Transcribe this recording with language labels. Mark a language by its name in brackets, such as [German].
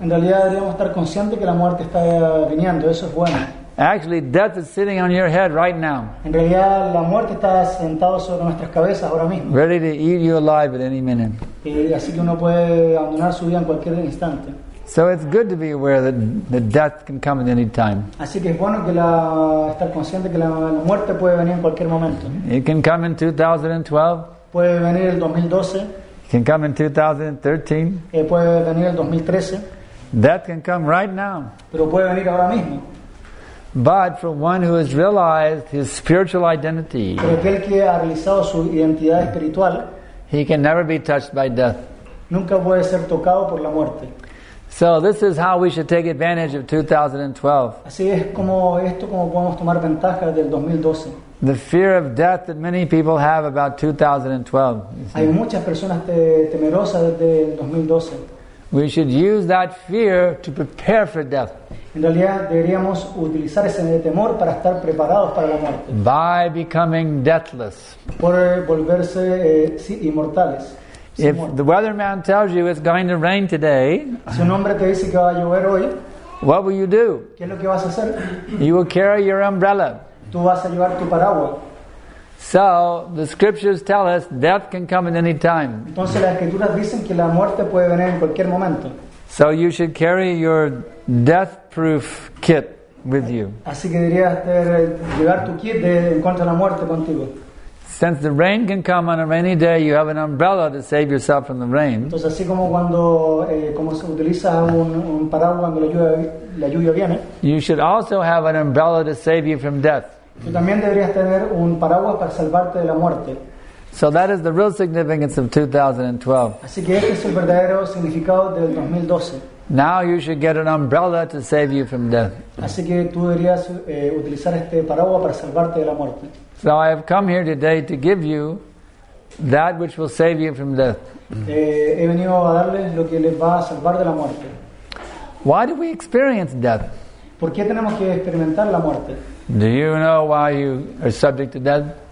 [Spanish] En realidad, deberíamos estar conscientes que la muerte está viniendo. Eso es bueno. [English] Actually, death is sitting on your head right now. [Spanish] En realidad, la muerte está sentado sobre nuestras cabezas ahora mismo. [English] Ready to eat you alive at any minute. [Spanish] Así que uno puede abandonar su vida en cualquier instante. [English] So it's good to be aware that the death can come at any time. [Spanish] Así que es bueno que estar consciente que la muerte puede venir en cualquier momento. [English] It can come in 2012. [Spanish] Puede venir el 2012. [English] It can come in 2013. [Spanish] Puede venir el 2013. [English] Death can come right now. [Spanish] Pero puede venir ahora mismo. [English] But for one who has realized his spiritual identity, [Spanish] pero aquel que ha realizado su identidad espiritual, [English] he can never be touched by death. [Spanish] Nunca puede ser tocado por la muerte. [English] So this is how we should take advantage of 2012. [Spanish] Así es como esto como podemos tomar ventaja del 2012. [English] The fear of death that many people have about 2012. [Spanish] Hay muchas personas temerosas desde el 2012. [English] We should use that fear to prepare for death. [Spanish] En realidad deberíamos utilizar ese temor para estar preparados para la muerte. [English] By becoming deathless. [Spanish] Por volverse inmortales. [English] If the weatherman tells you it's going to rain today, [Spanish] si un hombre te dice que va a llover hoy, [English] what will you do? [Spanish] ¿Qué es lo que vas a hacer? [English] You will carry your umbrella. [Spanish] Tú vas a llevar tu paraguas. [English] So the scriptures tell us death can come at any time. [Spanish] Entonces las escrituras dicen que la muerte puede venir en cualquier momento. [English] So you should carry your death-proof kit with you. [Spanish] Así que deberías llevar tu kit en contra de la muerte contigo. [English] Since the rain can come on a rainy day, you have an umbrella to save yourself from the rain. [Spanish] Entonces, así como cuando como se utiliza un paraguas cuando la lluvia viene. [English] You should also have an umbrella to save you from death. [Spanish] Tú también deberías tener un paraguas para salvarte de la muerte. [English] So that is the real significance of 2012. [Spanish] Así que este es el verdadero significado del 2012. [English] Now you should get an umbrella to save you from death. [Spanish] Así que tú deberías utilizar este paraguas para salvarte de la muerte. [English] So I have come here today to give you that which will save you from death. [Spanish] He venido a darles lo que les va a salvar de la muerte. [English] Why do we experience death? [Spanish] ¿Por qué tenemos que experimentar la muerte? [English] Do you know why you are subject to death?